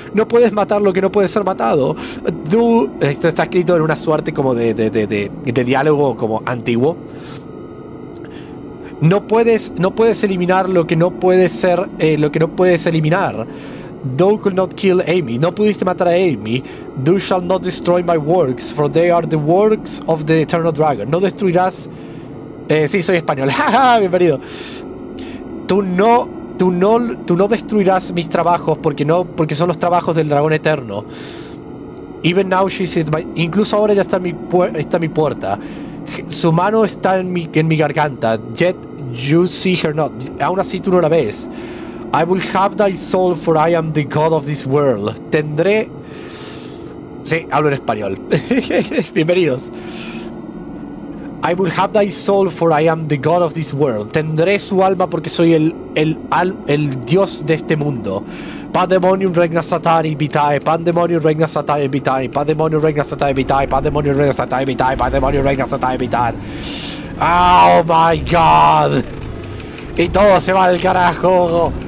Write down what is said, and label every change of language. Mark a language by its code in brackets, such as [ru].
[es] No puedes matar lo que no puede ser matado. Esto está escrito en una suerte como de diálogo como antiguo. No puedes eliminar lo que no puede ser eliminar. [en] Thou could not kill Amy. [es] No pudiste matar a Amy. [en] Thou shalt not destroy my works, for they are the works of the Eternal Dragon. [es] No destruirás. Sí, soy español. ¡Ja, ja! Bienvenido. Tú no destruirás mis trabajos porque son los trabajos del dragón eterno. [en] Even now she's at my. [es] Incluso ahora ya está en mi puerta. Su mano está en mi garganta. [en] Yet you see her not. [es] Aún así tú no la ves. [en] I will have thy soul, for I am the god of this world. [es] Tendré. Sí, hablo en español. Bienvenidos. [en] I will have thy soul, for I am the god of this world. [es] Tendré su alma porque soy el dios de este mundo. [la] Pandemonium regna satani vitae. Pandemonium regna satani vitae. Pandemonium regna satani vitae. Pandemonium regna satani vitae. Pandemonium regna satani vitae. [en] Oh my god. [es] Y todo se va al carajo.